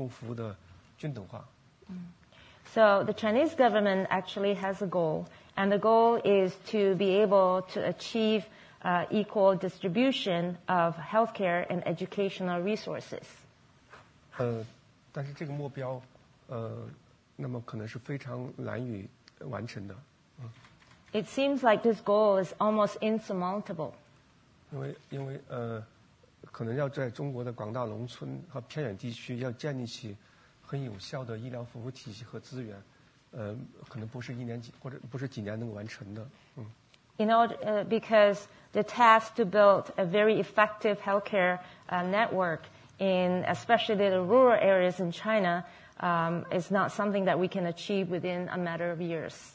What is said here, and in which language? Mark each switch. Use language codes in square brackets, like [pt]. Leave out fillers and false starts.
[zh] 那么，中国政府呢，有一个目标，就是希望实现这个像医疗、教育这些基本公共服务的均等化。So [en] the Chinese government actually has a goal, and the goal is to be able to achieve equal distribution of healthcare and educational resources. [zh] 但是这个目标，那么可能是非常难以完成的。 [en] It seems like this goal is almost insurmountable. [zh] 因为可能要在中国的广大农村和偏远地区，要建立起很有效的医疗服务体系和资源，可能不是一年几或者不是几年能够完成的。 [en] In order, because the task to build a very effective healthcare network in especially the rural areas in China is not something that we can achieve within a matter of years.